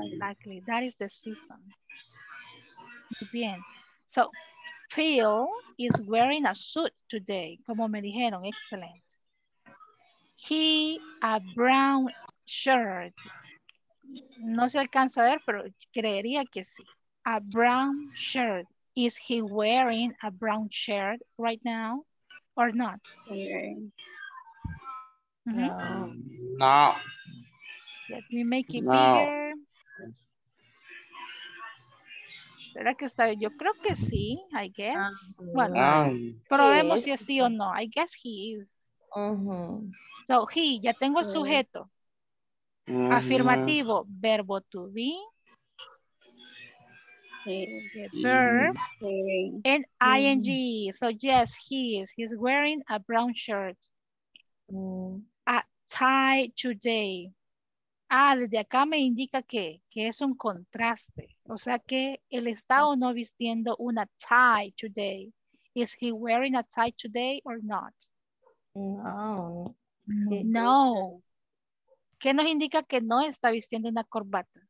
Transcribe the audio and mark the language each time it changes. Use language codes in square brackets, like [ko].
[en] Exactly. That is the season. [es] Muy bien. [en] So, Phil is wearing a suit today, [es] como me dijeron, [en] excellent. He a brown shirt. [es] No se alcanza a ver, pero creería que sí. [en] A brown shirt. Is he wearing a brown shirt right now or not? Okay. Mm-hmm. No. Let me make it bigger. [es] ¿Verdad que está? Yo creo que sí, [en] I guess. [es] Bueno, probemos si es sí o no. [en] I guess he is. So, he, [es] ya tengo el sujeto. Afirmativo, verbo to be. [en] Verb. And ing. So, yes, he is. He's wearing a brown shirt. A tie today. [es] Ah, desde acá me indica que es un contraste. O sea que él está o no vistiendo una tie today. [en] Is he wearing a tie today or not? No. No. [es] ¿Qué nos indica que no está vistiendo una corbata?